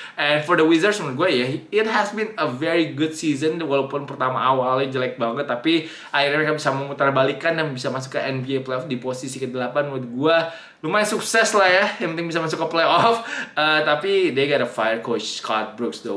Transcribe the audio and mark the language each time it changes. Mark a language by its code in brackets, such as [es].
[en] And for the Wizards [id] menurut gue ya, [en] it has been a very good season. [id] Walaupun pertama awalnya jelek banget, tapi akhirnya mereka bisa memutarbalikkan dan bisa masuk ke NBA playoff di posisi ke-8. Menurut gue lumayan sukses lah ya, yang penting bisa masuk ke playoff. Tapi [en] they got a fire coach Scott Brooks though.